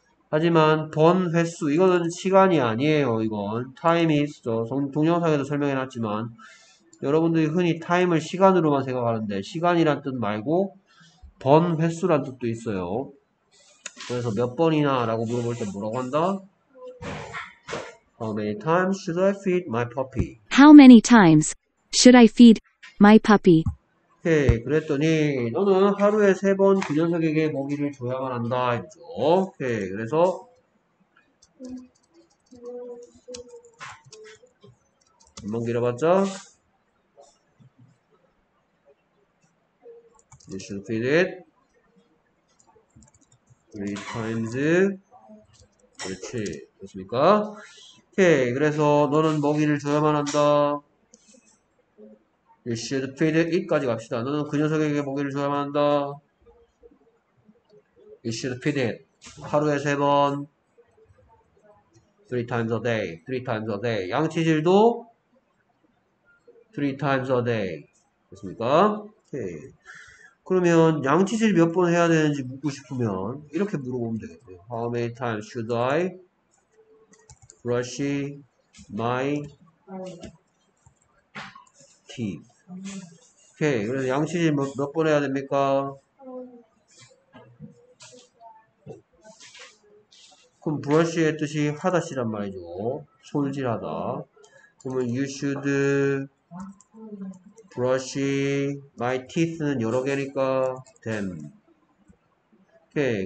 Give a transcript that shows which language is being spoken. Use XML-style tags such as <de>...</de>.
<ko>하지만 번 횟수 이거는 시간이 아니에요. 이건 time is 동영상에도 설명해 놨지만 여러분들이 흔히 타임을 시간으로만 생각하는데, 시간이란 뜻 말고, 번 횟수란 뜻도 있어요. 그래서 몇 번이나 라고 물어볼 때 뭐라고 한다?</ko> <en>How many times should I feed my puppy? How many times should I feed my puppy?</en> <ko>오케이. 그랬더니, 너는 하루에 세번그 녀석에게 먹이를 줘야만 한다. 했죠. 오케이. 그래서, 한번 길어봤자,</ko> <en>You should feed it 3 times.</en> <ko>그렇지. 됐습니까? 오케이. 그래서 너는 먹이를 줘야만 한다.</ko> <en>You should feed it</en> <ko>까지 갑시다.</ko> <en>너는 그 녀석에게 먹이를 줘야만 한다. You should feed it</en> <ko>하루에 세 번.</ko> <en>3 times a day. 3 times a day. 양치질도 3 times a day.</en> <ko>됐습니까? 오케이. 그러면 양치질 몇번 해야 되는지 묻고 싶으면 이렇게 물어보면 되겠네요.</ko> <en>How many times should I brush my teeth?</en> <ko>오케이. 그래서 양치질 몇번 해야 됩니까? 그럼 브러쉬의 뜻이 하다시란 말이죠. 손질하다. 그러면</ko> <en>you should brush my teeth</en> <ko>는 여러 개니까 them. 오케이.</ko>